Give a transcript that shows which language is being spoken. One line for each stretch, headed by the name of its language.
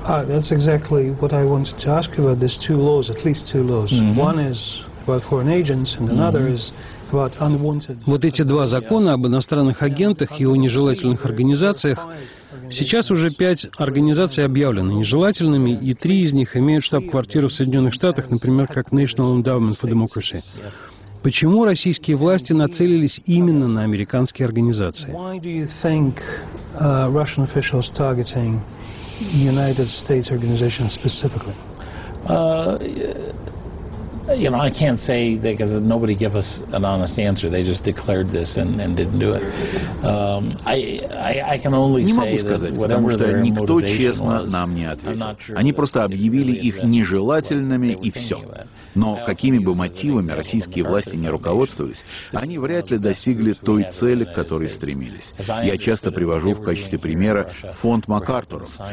English: That's exactly what I wanted to ask you about, these two laws, at least two laws. Mm-hmm. One is about foreign agents and another is about unwanted...
Russian: Вот эти два закона об иностранных агентах и о нежелательных организациях. Сейчас уже 5 организаций объявлены нежелательными, и 3 из них имеют штаб-квартиру в Соединенных Штатах, например, как National Endowment for Democracy. Почему российские власти нацелились именно на американские организации?
English: Why do you think Russian officials targeting United States organizations specifically? You know, I can't say because nobody gave us an honest answer. They just declared this and didn't do it. I can only say that whatever their motivation was,
Russian: они просто объявили их нежелательными и все. Но какими бы мотивами российские власти не руководствовались, они вряд ли достигли той цели, к которой стремились. Я часто привожу в качестве примера фонд MacArthur's.